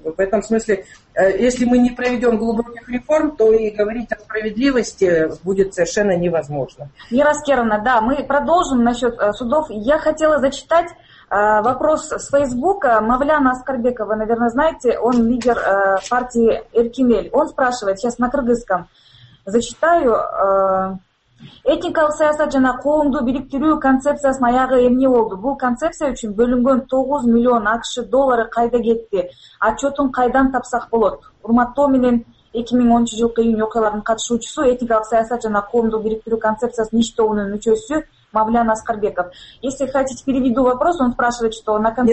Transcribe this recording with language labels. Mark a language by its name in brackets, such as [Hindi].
[Russian] В этом смысле, если мы не проведем глубоких реформ, то и говорить о справедливости будет совершенно невозможно. Вера Аскеровна, да, мы продолжим насчет судов. Я хотела зачитать вопрос с Фейсбука. Мавляна Аскарбекова, вы, наверное, знаете, он лидер партии «Эркинель». Он спрашивает, сейчас на кыргызском зачитаю. [Kyrgyz] Этникалык саясат жана коомду бириктирүү концепциясынын аягы эмне болду? Бул концепция үчүн бөлүнгөн 9 миллион АКШ доллары кайда кетти? Отчетун кайдан тапсак болот? Урматтоо менен 2010 жылкы июнь окуяларынын катышуучусу, этникалык саясат жана коомду бириктирүү концепциясынын иш тобунун мүчөсү Мавлян Аскарбеков. [Russian] Если хотите, переведу вопрос, он спрашивает, что на конце...